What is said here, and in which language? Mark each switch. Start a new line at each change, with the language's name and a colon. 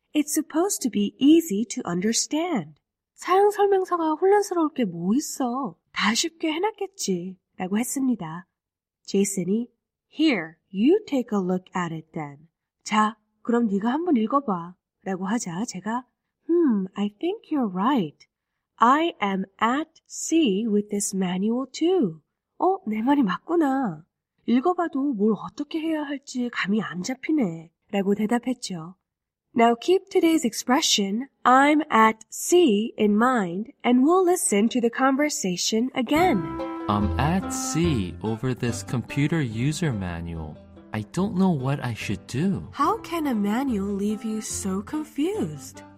English: It's supposed to be easy to understand.
Korean: 사용 설명서가 혼란스러울 게 뭐 있어. 다 쉽게 해놨겠지. 라고 했습니다. 제이슨이
English: Here, You take a look at it then.
Korean: 자, 그럼 네가 한번 읽어봐. 라고 하자 제가
English: I think you're right. I am at sea with this manual too.
Korean: 어, 내 말이 맞구나. 읽어봐도 뭘 어떻게 해야 할지 감이 안 잡히네. 라고 대답했죠.
English: Now keep today's expression, I'm at sea, in mind, and we'll listen to the conversation again. I'm at sea over this computer user manual. I don't know what I should do. How can a manual leave you so confused?